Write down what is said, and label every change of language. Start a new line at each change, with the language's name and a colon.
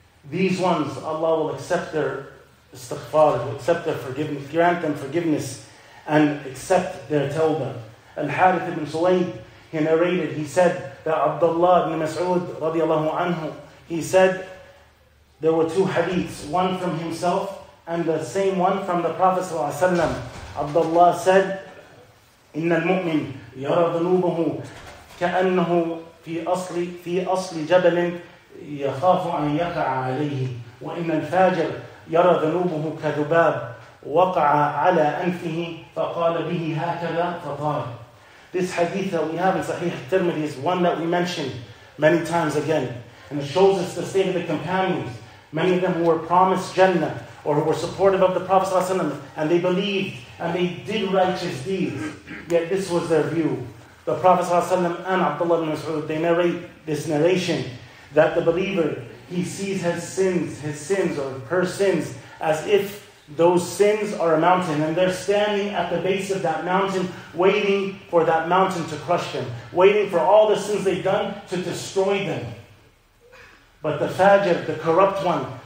English: These ones, Allah will accept their istighfar, will accept their forgiveness, grant them forgiveness, and accept their tawbah. Al-Harith ibn Sulayb, he narrated, he said that Abdullah ibn Mas'ud radiallahu anhu, he said, there were two hadiths, one from himself and the same one from the Prophet
Arabic: صلى الله عليه وسلم.
English: Abdullah said,
Arabic: إِنَّ المؤمن يرى ذنوبه كأنه في أصل جبل يخاف أن يقع عليه وإِنَّ الفاجر يرى ذنوبه كذباب وقع على أنفه فقال به هكذا فطار.
English: This hadith that we have in Sahih al-Tirmidhi is one that we mentioned many times again. And it shows us the state of the companions. Many of them who were promised Jannah or who were supportive of the Prophet ﷺ, and they believed and they did righteous deeds. Yet this was their view. The Prophet ﷺ and Abdullah ibn Mas'ud, they narrate this narration that the believer, he sees his sins or her sins as if those sins are a mountain, and they're standing at the base of that mountain waiting for that mountain to crush them, waiting for all the sins they've done to destroy them. But the fajr, the corrupt one,